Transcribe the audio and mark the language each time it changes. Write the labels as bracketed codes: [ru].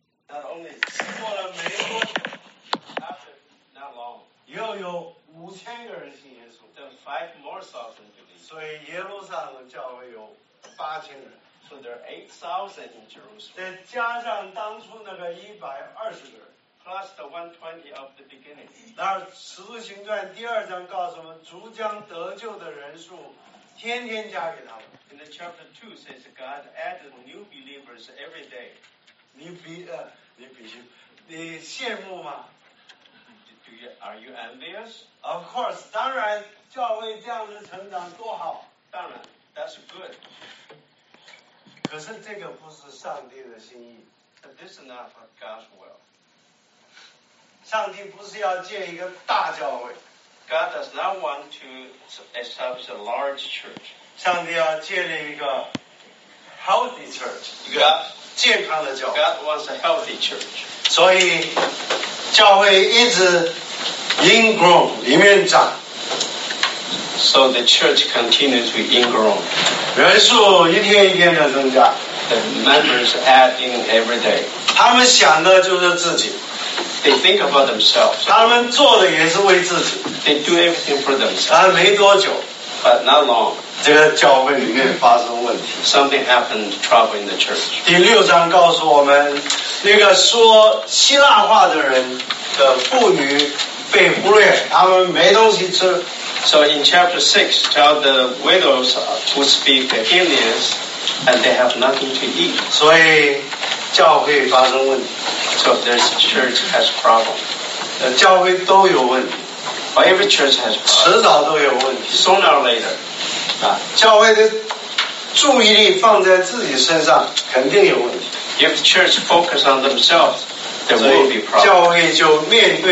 [en] not only support of Mayo, after not long, [zh] 又有5000个人信耶稣, [en] then 5 more thousand believe. [zh] 所以耶路撒冷教会有8000人. [en] So there are 8,000 in Jerusalem. [zh] 再加上当初那个120个人, [en] plus the 120 of the beginning. [zh] 那使徒行传第二章告诉我们，主将得救的人数。 [en] In the chapter 2 says God added new believers every day. [zh] 你羡慕吗? [en] Are you envious? Of course, [zh] 当然,教会这样的成长多好。当然, [en] that's good. [zh] 可是这个不是上帝的心意。 [en] But this is not God's will. [zh] 上帝不是要建一个大教会。 [en] God does not want to establish a large church. [zh] 上帝要建立一个 healthy church. [en] God wants a healthy church. [zh] 所以教会一直ingrown里面长。 [en] So the church continues to ingrown. [zh] 人数一天一天的增加。 [en] The members add in every day. [zh] 他们想的就是自己。 [en] They think about themselves. [zh] 他们做的也是为自己。 [en] They do everything for themselves. But not long. [zh] 这个教会里面发生问题, [en] something happened, trouble in the church. [zh] 第6章告诉我们, 那个说希腊话的人的妇女被忽略, 他们没东西吃。 [en] So in chapter 6, tell the widows who speak the Hellenes, and they have nothing to eat. [zh] 所以教会发生问题。 [en] So this church has problem. [zh] 教会都有问题。 [en] But every church has problems. Sooner or later. [zh] 教会的注意力放在自己身上肯定有问题。 [en] If the church focuses on themselves, there will be problems.